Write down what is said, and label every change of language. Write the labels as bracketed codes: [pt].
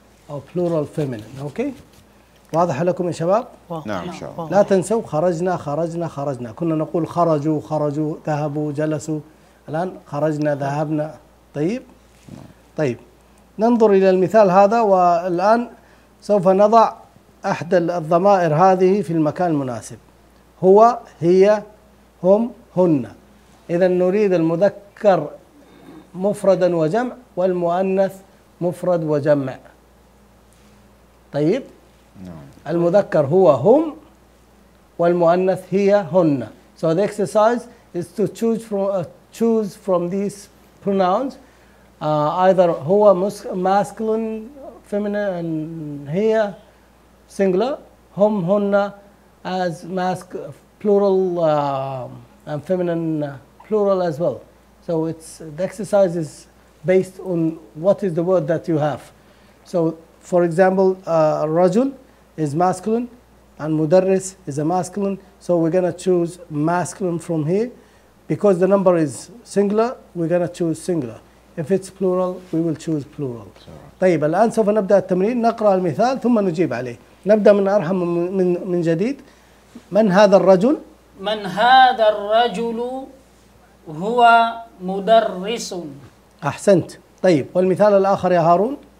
[en] Or plural feminine, okay? [ar] واضح لكم يا شباب؟ نعم شباب. لا تنسوا خرجنا خرجنا خرجنا. كنا نقول خرجوا خرجوا ذهبوا جلسوا. الآن خرجنا ذهبنا. طيب؟ طيب. ننظر إلى المثال هذا، والآن سوف نضع أحد الضمائر هذه في المكان المناسب. هو هي هم هن. إذا نريد المذكر مفردا وجمع، والمؤنث مفرد وجمع. طيب المذكر هو هم، والمؤنث هي هن. [en] So the exercise is to choose from these pronouns. Either هو masculine, feminine, and here singular. هم هن as plural and feminine plural as well. So it's the exercise is based on what is the word that you have. So for example, رجل is masculine and مدرس is a masculine. So we're going to choose masculine from here. Because the number is singular, we're going to choose singular. If it's plural, we will choose plural. [ar] طيب الآن سوف نبدأ التمرين، نقرأ المثال ثم نجيب عليه. نبدأ من أرحم من جديد. من هذا الرجل؟ من هذا الرجل هو مدرس. أحسنت. طيب والمثال الآخر يا هارون؟